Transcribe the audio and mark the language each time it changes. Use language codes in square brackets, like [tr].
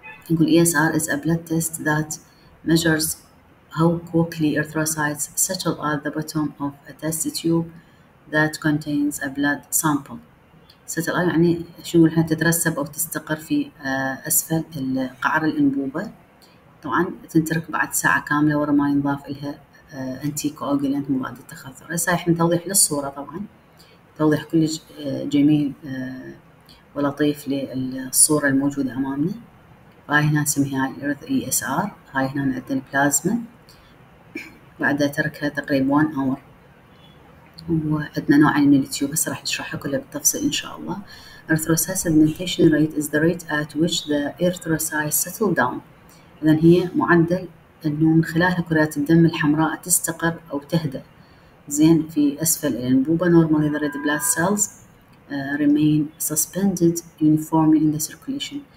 [ar] نقول [en] ESR is a blood test that measures how quickly erythrocytes settle at the bottom of a test tube that contains a blood sample. [ar] Settle يعني شنو نقول احنا تترسب أو تستقر في أسفل القعر الأنبوبة. طبعاً تنترك بعد ساعة كاملة ورا ما ينضاف إلها أنتي كوأجولانت مضاد التخثر. هسه احنا توضيح للصورة طبعاً. توضيح كلش جميل ولطيف للصورة الموجودة أمامنا. هاي هنا نسميها ESR. هاي هنا نعدل البلازما بعدها تركها تقريبا 1 hour. وعندنا نوعين من التيوب هسه راح نشرحها كلها بالتفصيل إن شاء الله. [en] Erythrocyte sedimentation rate is the rate at which the erythrocyte settle down. [ar] إذا هي معدل إنه من خلالها كريات الدم الحمراء تستقر أو تهدأ زين في أسفل الأنبوبة. [en] Normally the red blood cells remain suspended uniformly in the circulation.